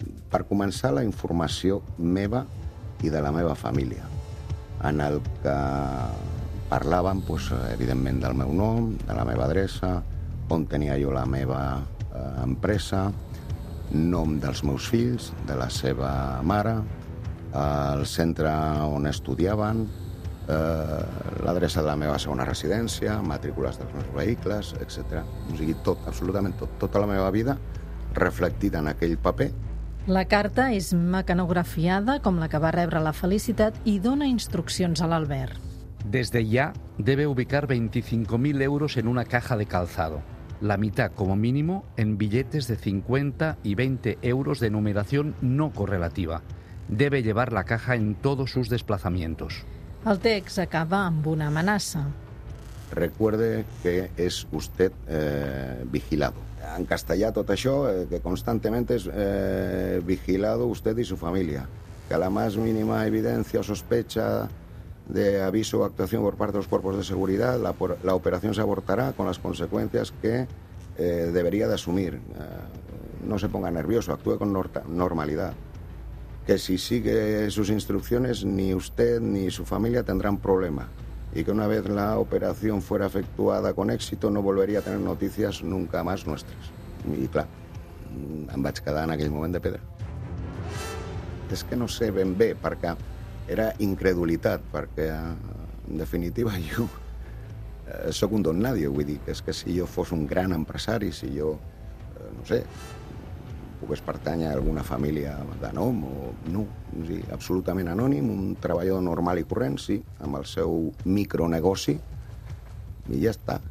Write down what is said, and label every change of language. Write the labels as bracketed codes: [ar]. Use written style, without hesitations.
[ca] per començar, la informació meva i de la meva família, en el que parlàvem, evidentment, del meu nom, de la meva adreça, on tenia jo la meva empresa, nom dels meus fills, de la seva mare, el centre on estudiaven, l'adreça de la meva segona residència, matrícules dels meus vehicles, etc. O sigui, tot, absolutament tot, tota la meva vida reflectida en aquell paper. La carta és mecanografiada, com la que va rebre la Felicitat, i dona instruccions a l'Albert. [es] Desde ya debe ubicar 25.000 euros en una caja de calzado, la mitad como mínimo en billetes de 50 y 20 euros de numeración no correlativa. Debe llevar la caja en todos sus desplazamientos. [ca] El text acaba amb una amenaça. [es] Recuerde que es usted vigilado. [ca] En castellà tot això, [es] que constantemente es vigilado usted y su familia. Que a la más mínima evidencia o sospecha de aviso o actuación por parte de los cuerpos de seguridad, la operación se abortará con las consecuencias que debería de asumir. No se ponga nervioso, actúe con normalidad. Que si sigue sus instrucciones, ni usted ni su familia tendrán problema. Y que una vez la operación fuera efectuada con éxito, no volvería a tener noticias nunca más nuestras. Y claro, [ca] em vaig quedar en aquell moment de pedra. És que no sé ben bé, perquè era incredulitat, perquè en definitiva jo sóc un don nadie, vull dir, és que si jo fos un gran empresari, si jo, no sé, pogués pertànyer a alguna família de nom o no, o sigui, absolutament anònim, un treballador normal i corrent, sí, amb el seu micronegoci, i ja està.